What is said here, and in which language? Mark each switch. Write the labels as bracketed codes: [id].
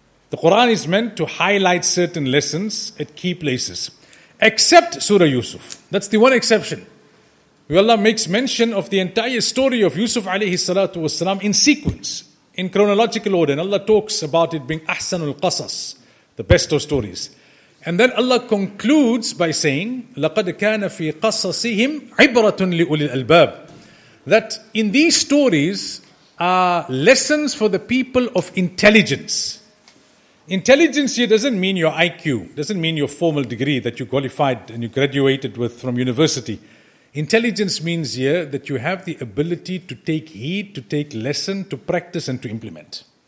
[en] The Quran is meant to highlight certain lessons at key places. Except Surah Yusuf. That's the one exception. Where Allah makes mention of the entire story of Yusuf alayhi salatu wasalam in sequence, in chronological order. And Allah talks about it being Ahsanul Qasas, the best of stories. And then Allah concludes by saying, [ar] لَقَدْ كَانَ فِي قَصَصِهِمْ عِبْرَةٌ لِأُولِي الْأَلْبَابِ. [en] That in these stories are lessons for the people of intelligence. Intelligence here doesn't mean your IQ, doesn't mean your formal degree that you qualified and you graduated with from university. Intelligence means here that you have the ability to take heed, to take lesson, to practice and to implement.